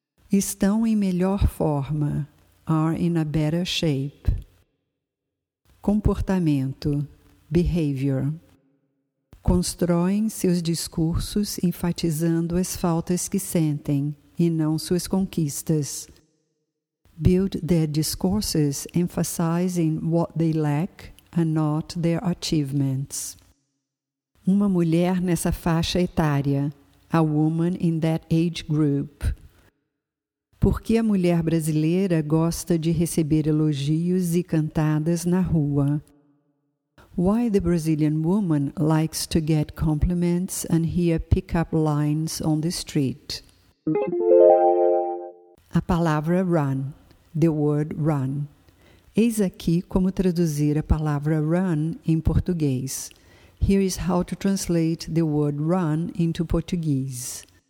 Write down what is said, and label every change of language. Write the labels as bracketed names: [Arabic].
[Portuguese] Estão em melhor forma, [English] are in a better shape. [Portuguese] Comportamento, behavior. Constroem seus discursos enfatizando as faltas que sentem e não suas conquistas. [English] Build their discourses emphasizing what they lack and not their achievements. [Portuguese] Uma mulher nessa faixa etária, [English] a woman in that age group. [Portuguese] Por que a mulher brasileira gosta de receber elogios e cantadas na rua? [English] Why the Brazilian woman likes to get compliments and hear pickup lines on the street? [Portuguese] A palavra run, [English] the word run. [Portuguese] Eis aqui como traduzir a palavra run em português. [English] Here is how to translate the word run into Portuguese.